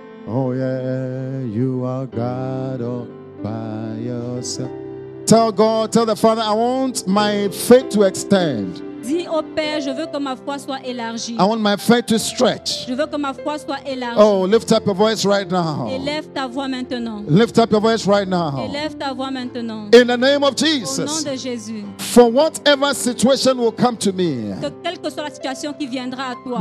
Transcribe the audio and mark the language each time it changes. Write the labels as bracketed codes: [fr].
[en] Oh yeah, you are God all by yourself. Tell God, tell the Father, I want my faith to extend. [fr] Dis au Père, je veux que ma foi soit élargie. [en] I want my faith to stretch. [fr] Je veux que ma foi soit élargie. [en] Oh, lift up your voice right now. [fr] Élève ta voix maintenant. [en] Lift up your voice right now. [fr] Élève ta voix maintenant. [en] In the name of Jesus. [fr] Au nom de Jésus. [en] For whatever situation will come to me. [fr] Que quelle que soit la situation qui viendra à toi.